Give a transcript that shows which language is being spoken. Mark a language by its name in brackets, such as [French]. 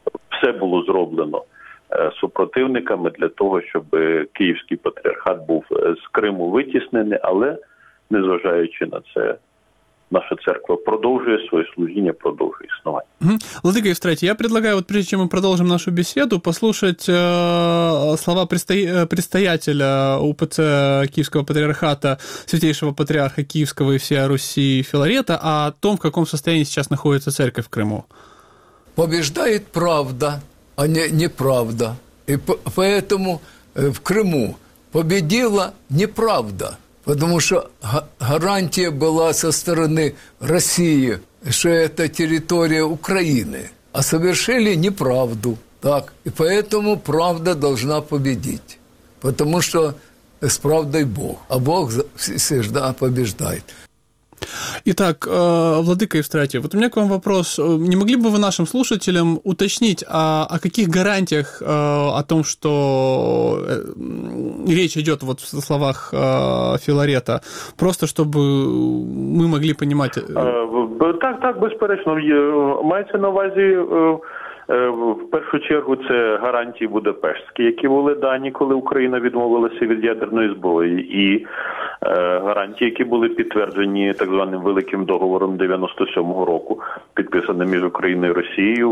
[Ukrainian] все було зроблено супротивниками для того, щоб Київський патріархат був з Криму витіснений, але, незважаючи на це, [Russian] наша церковь продолжает свое служение, продолжает основание. Владыка Евстратий, я предлагаю, вот прежде чем мы продолжим нашу беседу, послушать слова предстоятеля УПЦ Киевского Патриархата, Святейшего Патриарха Киевского и всея Руси Филарета о том, в каком состоянии сейчас находится церковь в Крыму. Побеждает правда, а не неправда. И поэтому в Крыму победила неправда. Потому что гарантия была со стороны России, что это территория Украины. А совершили неправду. Так? И поэтому правда должна победить. Потому что с правдой Бог. А Бог всегда побеждает. Итак, Владыка Евстратий, вот у меня к вам вопрос. Не могли бы вы нашим слушателям уточнить, о каких гарантиях, о том, что речь идет вот в словах Филарета, просто чтобы мы могли понимать? [Ukrainian] Так, так, безперечно. Мається на увазі, в першу чергу, це гарантії будапештські, які були дані, коли Україна відмовилася від ядерної зброї, і гарантії, які були підтверджені так званим великим договором 97-го року, підписаним між Україною і Росією.